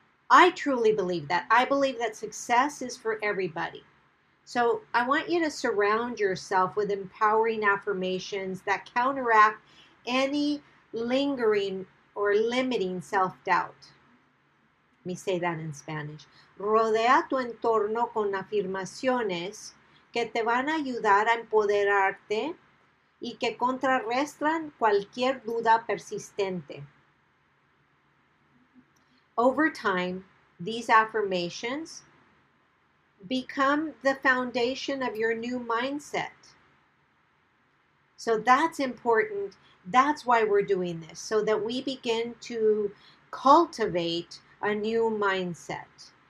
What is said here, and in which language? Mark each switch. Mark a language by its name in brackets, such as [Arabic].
[English] I truly believe that. I believe that success is for everybody. So I want you to surround yourself with empowering affirmations that counteract any lingering or limiting self-doubt. Let me say that in Spanish. [Spanish] Rodea tu entorno con afirmaciones que te van a ayudar a empoderarte y que contrarrestan cualquier duda persistente. [English] Over time, these affirmations become the foundation of your new mindset. So that's important. That's why we're doing this, so that we begin to cultivate a new mindset.